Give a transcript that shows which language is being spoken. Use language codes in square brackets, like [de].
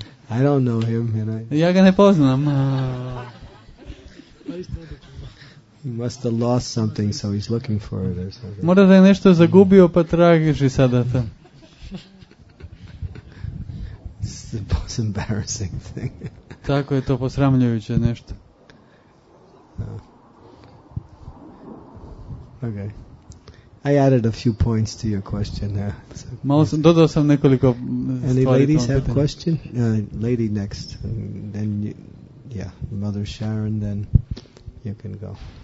[en] I don't know him, you know. [hr] Ja ga ne poznam. [en] He must have lost something, so he's looking for it. [hr] Mora da je nešto zagubio, pa tragiš i sada to. [en] It's the most embarrassing thing. [hr] Tako je to posramljujuće nešto. [en] Okay. I added a few points to your question there. [hr] Dodao sam nekoliko stvari. [en] Any ladies have a question? Lady next. And then, Mother Sharon, then you can go.